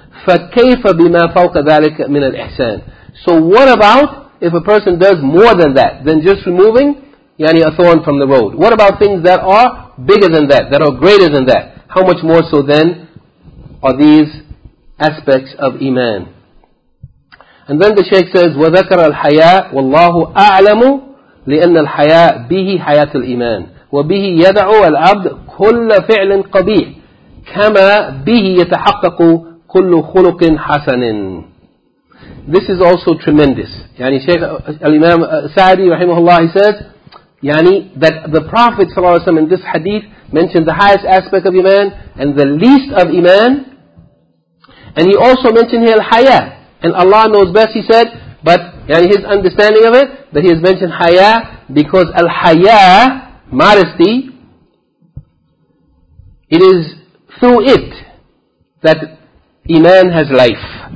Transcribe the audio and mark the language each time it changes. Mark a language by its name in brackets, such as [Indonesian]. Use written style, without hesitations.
[Arabic] فَكَيْفَ بِمَا فَوْقَ ذَلِكَ مِنَ الْإِحْسَانِ. [English] So what about if a person does more than that, than just removing yani a thorn from the road? What about things that are bigger than that, that are greater than that? How much more so then are these aspects of iman? And then the Shaykh says, [Arabic] وَذَكَرَ الْحَيَاءَ وَاللَّهُ أَعْلَمُ لِأَنَّ الْحَيَاءَ بِهِ حَيَاةُ الْإِيمَانِ وَبِهِ يَدَعُ الْعَبْدُ كُلَّ فِعْلٍ قَبِيحٍ كَمَا بِهِ يَتَحَقَّقُ كُلُّ خُلُقٍ حَسَنٍ. [English] This is also tremendous. Yani Shaykh al-Imam Sa'di rahimahullah, he says, yani that the Prophet sallallahu alayhi wa sallam in this hadith mentioned the highest aspect of iman and the least of iman. And he also mentioned here al-haya. And Allah knows best, he said, but yani his understanding of it, that he has mentioned haya because al-haya, modesty, it is through it that iman has life.